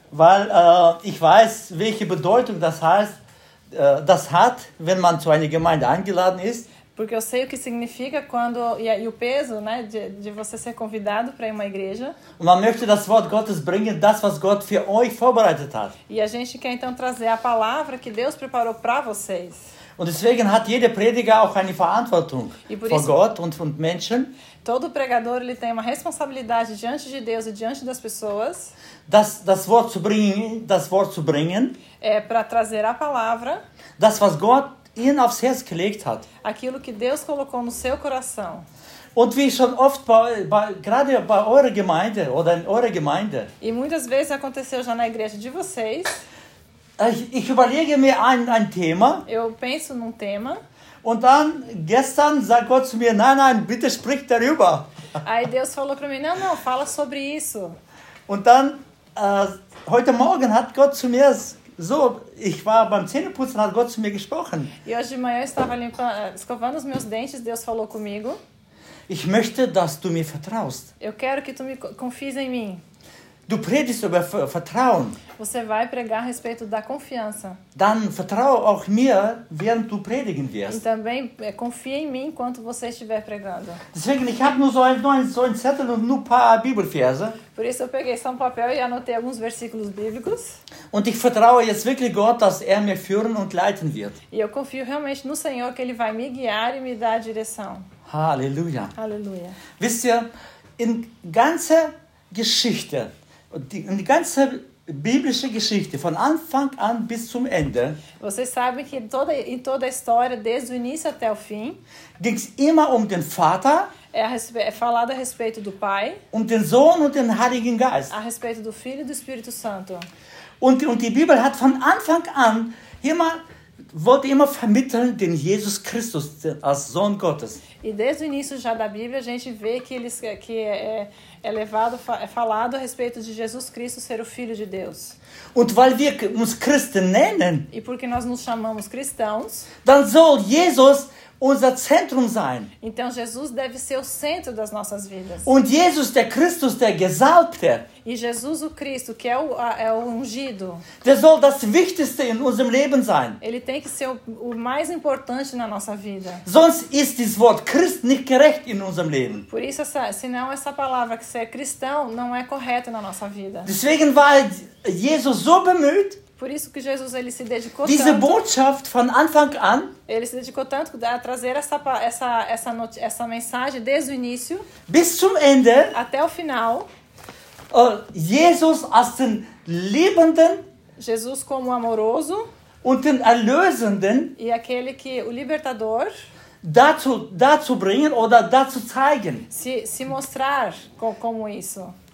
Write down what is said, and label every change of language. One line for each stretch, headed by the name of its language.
German: Weil ich weiß, welche Bedeutung das heißt, das hat, wenn man zu einer Gemeinde eingeladen ist.
Portuguese: Porque eu sei o que significa quando e o peso, né, de você ser convidado para uma igreja.
German: Man möchte das Wort Gottes bringen, das was Gott für euch vorbereitet hat.
Portuguese: E a gente quer então trazer a palavra que Deus preparou para vocês.
German: Und deswegen hat jeder Prediger auch eine Verantwortung vor Gott und von Menschen.
Portuguese: Todo pregador ele tem uma responsabilidade diante de Deus e diante das pessoas.
German: Das Wort zu bringen.
Portuguese: Para trazer a palavra.
German: Das was Gott ihn aufs Herz gelegt hat.
Portuguese: Aquilo que Deus colocou no seu coração.
German: Und wie schon oft gerade bei eurer Gemeinde oder in eurer Gemeinde.
Portuguese: E muitas vezes aconteceu já na igreja de vocês.
German: Ich überlege mir ein Thema.
Portuguese: Eu penso num tema.
German: Und dann gestern sagt Gott zu mir: Nein, bitte sprich darüber.
Portuguese: Aí Deus falou para mim: Não, fala sobre isso.
German: Und dann heute Morgen hat Gott zu mir so, ich war beim Zähneputzen, hat Gott zu mir gesprochen.
Portuguese: E hoje de manhã eu estava escovando os meus dentes, Deus falou comigo.
German: Ich möchte, dass du mir vertraust.
Portuguese: Eu quero que tu me confies em mim.
German: Du predigst über Vertrauen.
Portuguese: Você vai pregar a respeito da confiança.
German: Dann vertraue auch mir, während du predigen wirst.
Portuguese: E também confie em mim enquanto você estiver pregando.
German: Deswegen, ich habe nur so ein Zettel und nur paar Bibelverse.
Portuguese: Por isso eu peguei só um papel e anotei alguns versículos bíblicos.
German: Und ich vertraue jetzt wirklich Gott, dass mir führen und leiten wird.
Portuguese: E eu confio realmente no Senhor que ele vai me guiar e me dar a direção.
German: Halleluja.
Portuguese: Halleluja.
German: Wisst ihr, in ganze Geschichte, die ganze biblische Geschichte von Anfang an bis zum Ende.
Portuguese: Vocês sabem que em toda a história, desde o início até o fim,
German: ging es immer den Vater.
Portuguese: É falado a respeito do Pai.
German: Den Sohn und den Heiligen Geist.
Portuguese: A respeito do Filho e do Espírito Santo.
German: Und die Bibel hat von Anfang an wollte immer vermitteln den Jesus Christus als Sohn Gottes.
Portuguese: E desde o início já da Bíblia a gente vê que eles que é falado a respeito de Jesus Cristo ser o Filho de Deus.
German: Und weil wir uns Christen nennen,
Portuguese: e porque nós nos chamamos cristãos,
German: dann soll Jesus unser Zentrum sein.
Portuguese: Então Jesus deve ser o centro das nossas vidas.
German: Und Jesus der Christus der Gesalbte.
Portuguese: E Jesus o Cristo que é o ungido.
German: Der soll das Wichtigste in unserem Leben sein.
Portuguese: Ele tem que ser o mais importante na nossa vida.
German: Sonst ist das Wort Christ nicht gerecht in unserem Leben.
Portuguese: Por isso senão essa palavra que ser cristão não é correta na nossa vida.
German: Deswegen war Jesus so bemüht.
Portuguese: Por isso que Jesus ele se dedicou
German: diese
Portuguese: tanto.
German: Botschaft von Anfang an.
Portuguese: Ele se dedicou tanto a trazer essa mensagem desde o início.
German: Bis zum Ende.
Portuguese: Até o final.
German: Jesus als den liebenden.
Portuguese: Jesus como amoroso.
German: Und den erlösenden.
Portuguese: E aquele que o libertador.
German: Dazu bringen oder dazu zeigen.
Portuguese: Se mostrar como isso.